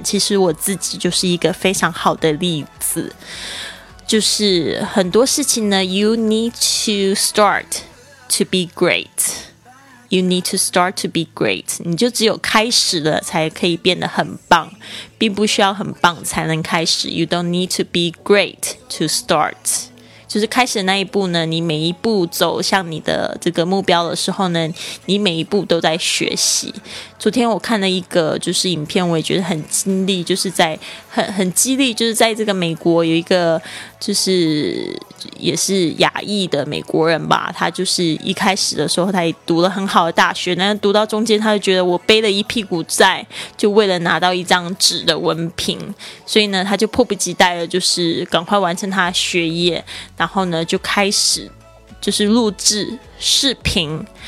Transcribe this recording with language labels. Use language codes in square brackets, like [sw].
[zh] 其实我自己就是一个非常好的例子，就是很多事情呢 [en] You need to start to be great. You need to start to be great. [zh] 你就只有开始了才可以变得很棒，并不需要很棒才能开始。 [en] You don't need to be great to start. [zh] 就是开始的那一步呢，你每一步走向你的这个目标的时候呢，你每一步都在学习。昨天我看了一个就是影片，我也觉得很激励，就是在很激励，就是在这个美国有一个就是也是亚裔的美国人吧，他就是一开始的时候他也读了很好的大学，但是读到中间他就觉得我背了一屁股债，就为了拿到一张纸的文凭，所以呢他就迫不及待的就是赶快完成他的学业，然后呢就开始就是录制视频。